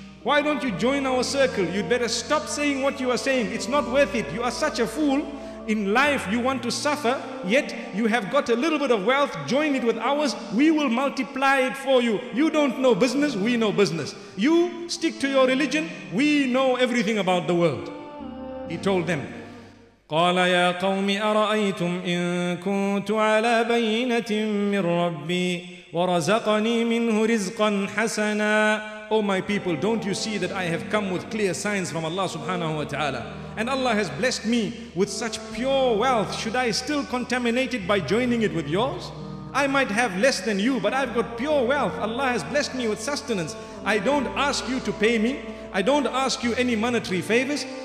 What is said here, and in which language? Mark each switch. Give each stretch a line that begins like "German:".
English: Why don't you join our circle? You'd better stop saying what you are saying. It's not worth it. You are such a fool. In life you want to suffer, yet you have got a little bit of wealth, join it with ours, we will multiply it for you. You don't know business, we know business. You stick to your religion, we know everything about the world. He told them,
Arabic: قال يا قوم أرأيتم إن كنت على بينة من ربي ورزقني منه رزقا حسنا.
English: Oh my people, don't you see that I have come with clear signs from Allah subhanahu wa ta'ala? And Allah has blessed me with such pure wealth. Should I still contaminate it by joining it with yours? I might have less than you, but I've got pure wealth. Allah has blessed me with sustenance. I don't ask you to pay me. I don't ask you any monetary favors.